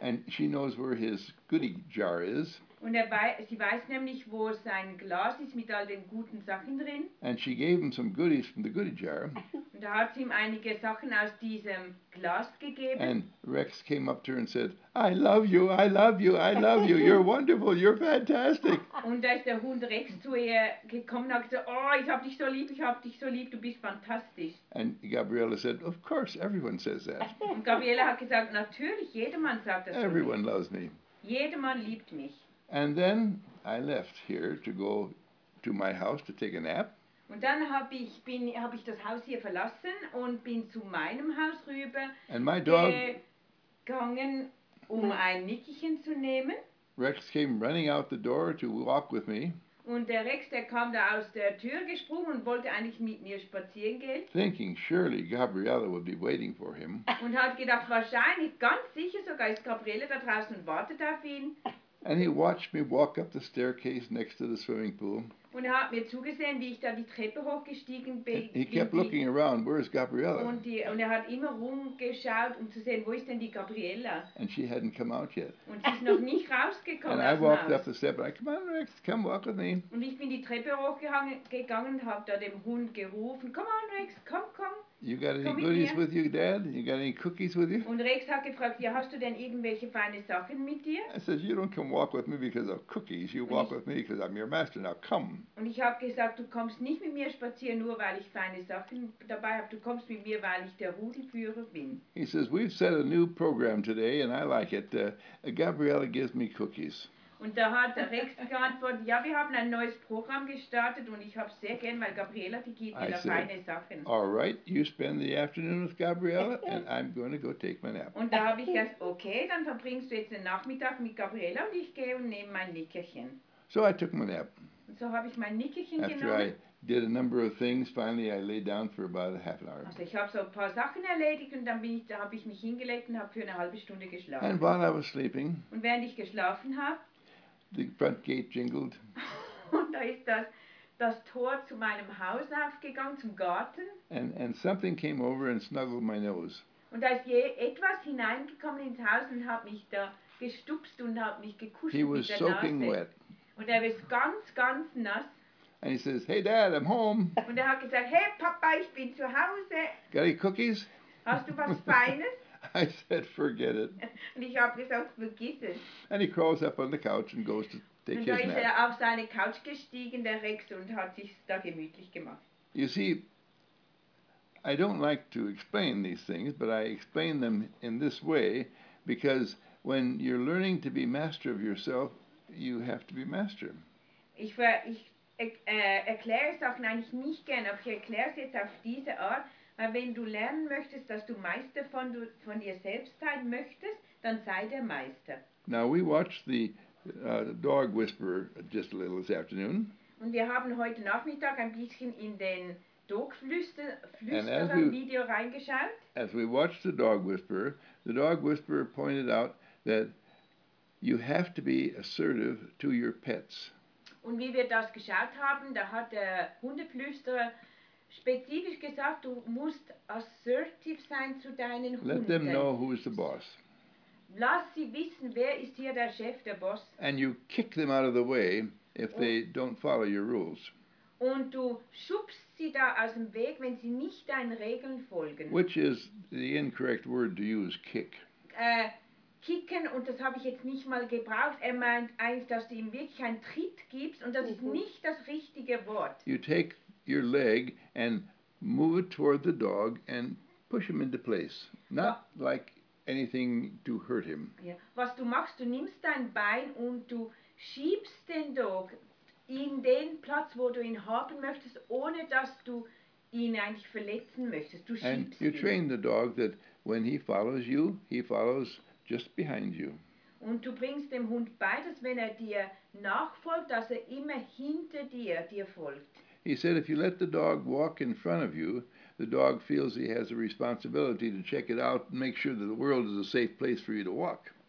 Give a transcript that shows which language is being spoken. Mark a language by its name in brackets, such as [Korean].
[English] And she knows where his goodie jar is. [German] Und sie weiß nämlich, wo sein Glas ist mit all den guten Sachen drin. [English] And she gave him some goodies from the goodie jar. [German] Und da hat sie ihm einige Sachen aus diesem Glas gegeben. [English] And Rex came up to her and said, I love you, I love you, I love you, you're wonderful, you're fantastic. [German] Und da ist der Hund Rex zu ihr gekommen und hat gesagt, oh, ich hab dich so lieb, ich hab dich so lieb, du bist fantastisch. [English] And Gabriella said, of course, everyone says that. [German] Und Gabriella hat gesagt, natürlich, jedermann sagt das. [English] Everyone loves me. [German] Jedermann liebt mich. [English] And then I left here to go to my house to take a nap. [German] Und dann habe ich das Haus hier verlassen und bin zu meinem Haus rüber. [English] And my dog [German] gegangen, um ein Nickerchen zu nehmen. [English] Rex came running out the door to walk with me. [German] Und der Rex, der kam da aus der Tür gesprungen und wollte eigentlich mit mir spazieren gehen. [English] Thinking surely Gabriella would be waiting for him. [German] Und hat gedacht, wahrscheinlich, ganz sicher sogar, ist Gabriella da draußen und wartet auf ihn. [English] And he watched me walk up the staircase next to the swimming pool. [German] Und er hat mir zugesehen, wie ich da die Treppe hochgestiegen bin. [English] He kept looking around, where is Gabriella? [German] Und er hat immer rumgeschaut, um zu sehen, wo ist denn die Gabriella? [English] And she hadn't come out yet. [German] Und sie ist noch nicht rausgekommen. [English] And I walked up the step, and I, come on, Rex, come walk with me. [German] Und ich bin die Treppe hochgegangen und habe da dem Hund gerufen, [English] come on, Rex, [German] komm, komm. [English] You got any goodies with you, Dad? You got any cookies with you? [German] Und Rex hat gefragt, ja, hast du denn irgendwelche feine Sachen mit dir? [English] I said, you don't come walk with me because of cookies. You walk with me because I'm your master. Now come. [German] Und ich habe gesagt, du kommst nicht mit mir spazieren, nur weil ich feine Sachen dabei habe. Du kommst mit mir, weil ich der Rudelführer bin. [English] He says, we've set a new program today and I like it. Gabriella gives me cookies. [German] Und da hat der Rex geantwortet, ja, wir haben ein neues Programm gestartet und ich habe sehr gern, weil Gabriella, die gibt mir da feine Sachen. [English] All right, you spend the afternoon with Gabriella and I'm going to go take my nap. [German] Und da habe ich gesagt, okay, dann verbringst du jetzt den Nachmittag mit Gabriella und ich gehe und nehme mein Nickerchen. [English] So I took my nap. [German] Und so habe ich mein Nickerchen [English] After [German] genommen. [English] After I did a number of things, finally I lay down for about a half an hour. [German] Also ich habe so ein paar Sachen erledigt und dann habe ich mich hingelegt und habe für eine halbe Stunde geschlafen. [English] And while I was sleeping. [German] Und während ich geschlafen habe. [English] The front gate jingled. [German] Und da ist das Tor zu meinem Haus aufgegangen, zum Garten. [English] And something came over and snuggled my nose. [German] Und da ist etwas hineingekommen ins Haus und hat mich da gestupst und hat mich gekuschelt. [English] He was [German] mit der [English] soaking [German] Nase. [English] Wet. [German] Und er ist ganz, ganz nass. [English] And he says, hey Dad, I'm home. [German] Und er hat gesagt, hey Papa, ich bin zu Hause. [English] Got any cookies? [German] Hast du was Feines? [English] I said, forget it. [German] Und ich habe gesagt, vergiss es. [English] And he crawls up on the couch and goes to take his nap. [German] Und da ist er auf seine Couch gestiegen, der Rex, und hat sich da gemütlich gemacht. [English] You see, I don't like to explain these things, but I explain them in this way, because when you're learning to be master of yourself, you have to be master. [German] Ich erkläre Sachen eigentlich nicht gern, aber ich erkläre es jetzt auf diese Art, weil wenn du lernen möchtest, dass du Meister von dir selbst sein möchtest, dann sei der Meister. [English] Now we watched the dog whisperer just a little this afternoon. [German] Und wir haben heute Nachmittag ein bisschen in den Dog-Flüsterer-Video reingeschaut. [English] As we watched the dog whisperer pointed out that you have to be assertive to your pets. [German] Und wie wir das geschaut haben, da hat der Hundeflüsterer spezifisch gesagt, du musst assertiv sein zu deinen Hunden. [English] Let them know who is the boss. [German] Lass sie wissen, wer ist hier der Chef, der Boss. [English] And you kick them out of the way if they don't follow your rules. [German] Und du schubst sie da aus dem Weg, wenn sie nicht deinen Regeln folgen. [English] Which is the incorrect word to use, kick. [German] Kicken, und das habe ich jetzt nicht mal gebraucht. Er meint eigentlich, dass du ihm wirklich einen Tritt gibst, und das ist nicht das richtige Wort. [English] You take your leg and move it toward the dog and push him into place. Not like anything to hurt him. Yeah. [German] Was du machst, du nimmst dein Bein und du schiebst den Dog in den Platz, wo du ihn haben möchtest, ohne dass du ihn eigentlich verletzen möchtest. Du schiebst [English] and you train the dog that when he follows just behind you. [German] Und du bringst dem Hund bei, dass wenn er dir nachfolgt, dass er immer hinter dir folgt. [English] He said, if you let the dog walk in front of you, the dog feels he has a responsibility to check it out and make sure that the world is a safe place for you to walk.